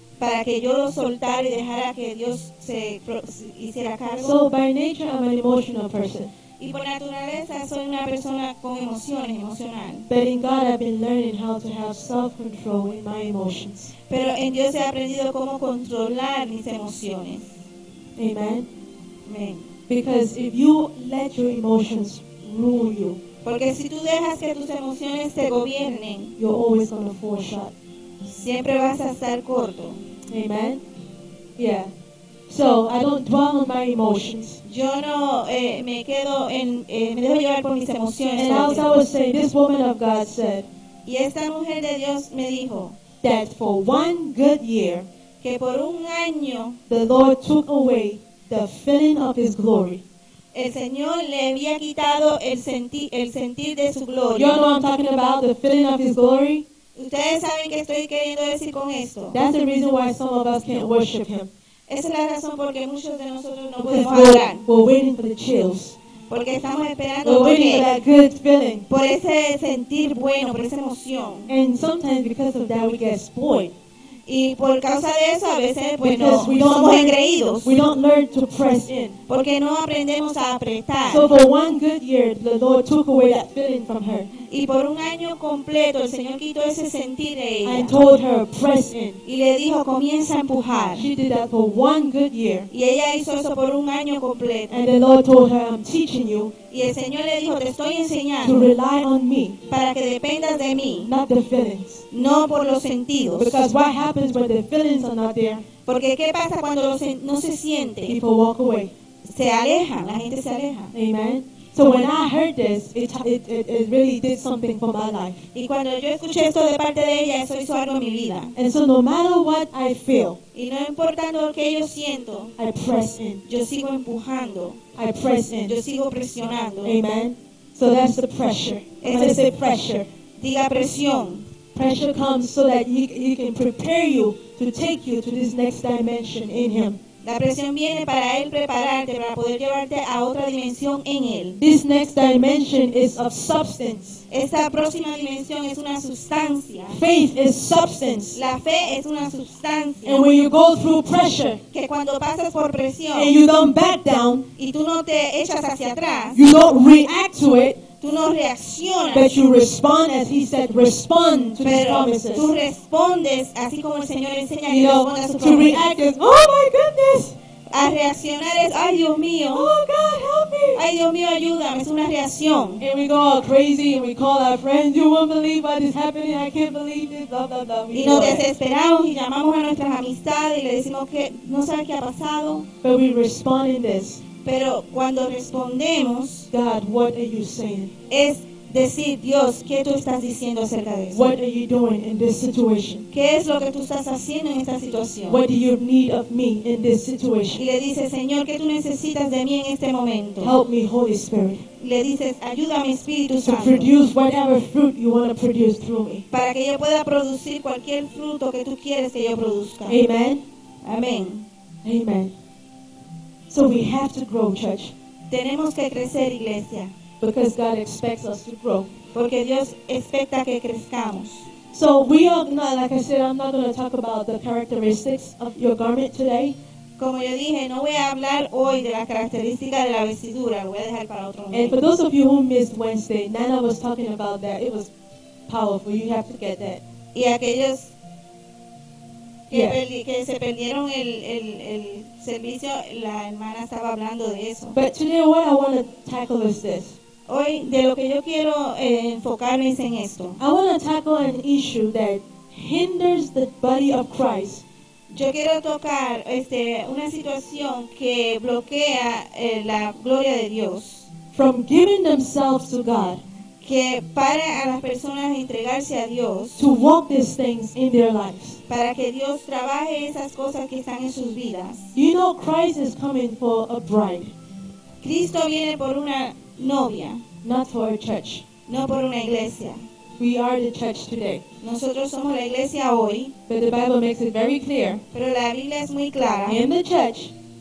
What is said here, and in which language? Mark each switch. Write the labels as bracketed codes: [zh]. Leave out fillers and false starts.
[es] Para que yo lo soltara y dejara que Dios se hiciera cargo. [en] So by nature I'm an emotional person. [es] Y por naturaleza soy una persona con emociones, emocional. [en] But in God I've been learning how to have self-control in my emotions. [es] Pero en Dios he aprendido cómo controlar mis emociones. [en] Amen. Amen. Because if you let your emotions rule you, [es] porque si tú dejas que tus emociones te gobiernen, [en] you're always going to fall short. [es] Siempre vas a estar corto. [en] Amen. Yeah. So I don't dwell on my emotions. [es] Yo no me quedo en me dejo llevar por mis emociones. [en] And as I was saying, this woman of God said. [es] Y esta mujer de Dios me dijo [en] that for one good year, [es] que por un año, [en] the Lord took away the feeling of His glory. [es] El Señor le había quitado el sentir de su gloria. [en] You know what I'm talking about? The feeling of His glory. [es] Ustedes saben qué estoy queriendo decir con esto. [en] That's the reason why some of us can't worship Him. [es] Esa es la razón porque muchos de nosotros no podemos hablar. [en] We're waiting for the chills. [es] Porque estamos esperando. [en] We're waiting for that good feeling. [es] Por ese sentir bueno, por esa emoción. [en] And sometimes because of that we get spoiled. [es] Y por causa de eso a veces pues [en] because [es] no somos engreídos. [en] We don't learn to press in. [es] Porque no aprendemos a apretar. [en] So for one good year, the Lord took away that feeling from her. [es] Y por un año completo el Señor quitó ese sentir de ella. [en] And told her press in. [es] Y le dijo comienza a empujar. [en] She did that for one good year. [es] Y ella hizo eso por un año completo. [en] And the Lord told her I'm teaching you. [es] Y el Señor le dijo te estoy enseñando. [en] To rely on me. [es] Para que dependas de mí. [en] Not the feelings. [es] No por los sentidos. [en] Because what happens when the feelings are not there? [es] Porque qué pasa cuando no se siente. [en] People walk away. [es] Se alejan, la gente se aleja. [en] Amen. So when I heard this, it really did something for my life. [es] Y cuando yo escuché esto de parte de ella, eso hizo algo en mi vida. [en] And so no matter what I feel, [es] y no importando lo que yo siento, [en] I press in. [es] Yo sigo empujando. [en] I press in. [es] Yo sigo presionando. [en] Amen. So that's the pressure. [es] Ese [en] when I say pressure, [es] diga presión. [en] Pressure comes so that he can prepare you to take you to this next dimension in Him. [es] La presión viene para él prepararte para poder llevarte a otra dimensión en él. [en] This next dimension is of substance. [es] Esta próxima dimensión es una sustancia. [en] Faith is substance. [es] La fe es una sustancia. [en] And when you go through pressure, [es] que cuando pasas por presión, [en] and you don't back down, [es] y tú no te echas hacia atrás, [en] you don't react to it, [es] tú no reaccionas, [en] but you respond as He said, respond to [es] pero [en] His promises. [es] Tú respondes así como el Señor enseña que responda a su promesa. [en] To react is, oh my goodness. [es] A reaccionar es, ay Dios mío. [en] Oh God, help me. [es] Ay Dios mío, ayúdame. Es una reacción. [en] And we go all crazy and we call our friends. You won't believe what is happening. I can't believe this. Blah, blah, blah. [es] Y nos desesperamos y llamamos a nuestras amistades y le decimos que no saben qué ha pasado. [en] But we respond in this. [es] Pero cuando respondemos, [en] God, what are you saying? [es] Es decir, Dios, ¿qué tú estás diciendo acerca de eso? [en] What are you doing in this situation? [es] ¿Qué es lo que tú estás haciendo en esta situación? [en] What do you need of me in this situation? [es] Y le dice, Señor, ¿qué tú necesitas de mí en este momento? [en] Help me, Holy Spirit. [es] Le dices, ayúdame, Espíritu Santo. [en] To produce whatever fruit you want to produce through me. [es] Para que yo pueda producir cualquier fruto que tú quieres que yo produzca. [en] Amen. [es] Amén. [en] Amen. So we have to grow, church. [es] Tenemos que crecer, iglesia. [en] Because God expects us to grow. [es] Porque Dios espera que crezcamos. [en] So we are not, like I said, I'm not going to talk about the characteristics of your garment today. [es] como yo dije, no voy a hablar hoy de la característica de la vestidura, lo voy a dejar para otro momento. [en] And for those of you who missed Wednesday, Nana was talking about that. It was powerful. You have to get that. [es] Y aquellos que se perdieron el servicio, la hermana estaba hablando de eso. [en] But today what I want to tackle is this. [es] Hoy de lo que yo quiero enfocarme es en esto. [en] I want to tackle an issue that hinders the body of Christ. [es] Yo quiero tocar una situación que bloquea la gloria de Dios. [en] From giving themselves to God. [es] Que para a las personas entregarse a Dios. [en] To walk these things in their lives. [es] Para que Dios trabaje esas cosas que están en sus vidas. [en] You know Christ is coming for a bride. [es] Cristo viene por una novia. [en] Not for a church. [es] No por una iglesia. [en] We are the church today. [es] Nosotros somos la iglesia hoy. [en] But the Bible makes it very clear. [es] Pero la Biblia es muy clara. [en] In the church.